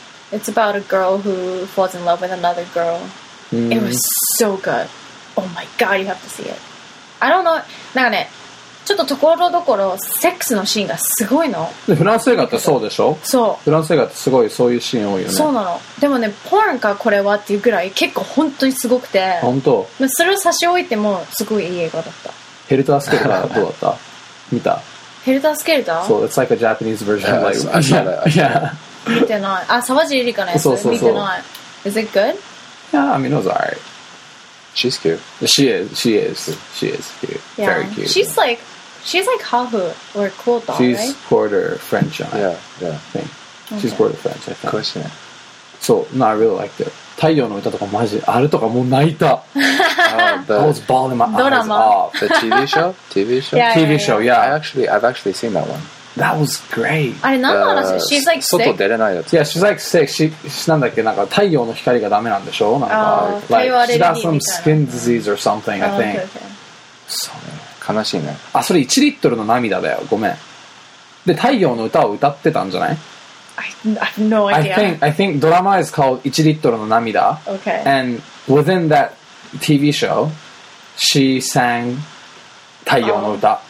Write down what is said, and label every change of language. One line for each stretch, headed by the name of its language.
English: It's about a girl who falls in love with another girl. It was so good. Oh my god, you have to see it. I don't know.
Japanese: なんかね、ちょっとところどころセックスのシーンがすごいの。でフランス映画ってそうでしょ。そう。フランス映画ってすごいそういうシーン多いよね。そうなの。でもね、ポーンかこれはっていうぐらい結構本当にすごくて。本当。それを差し置いてもすごいいい映画だった。ヘルタースケルターどうだった？見た。ヘルタースケルター？そう、
English: It's like a Japanese version of like yeah. yeah.
Japanese: 見てない。あ、沢尻エリカのやつ。そうそうそう。見てない。
English: Is it good? Yeah, I mean, it was alright. She's cute. She is. She is. She is cute. Yeah. Very cute. She's like half or quarter, she's right? quarter French, yeah, yeah. Okay. She's quarter French, I think. Of course, yeah. So, no, I really liked it.
Japanese: 太陽の歌とかマジ、あれとかもう泣いた。
English: I was bawling my eyes off. The TV show? TV show? Yeah, TV show, yeah. I've actually seen that one. That was great.
Japanese: あれ何の話？
English: She's like sick.
Japanese: 外出れないやつ。
English: Yeah, she's like sick.
Japanese: She なんだっけ、なんか太陽の光がダメなんでしょ？なんか、太陽アレルギーみたいな。
English: She got some skin disease or something, I think.
Japanese: そうね。悲しいね。あ、それ1リットルの涙だよ。ごめん。で、太陽の歌を歌ってたんじゃない？
English: I have no idea. I think ドラマ is called 1リットルの涙。 Okay. And within that TV show, she sang 太陽の歌。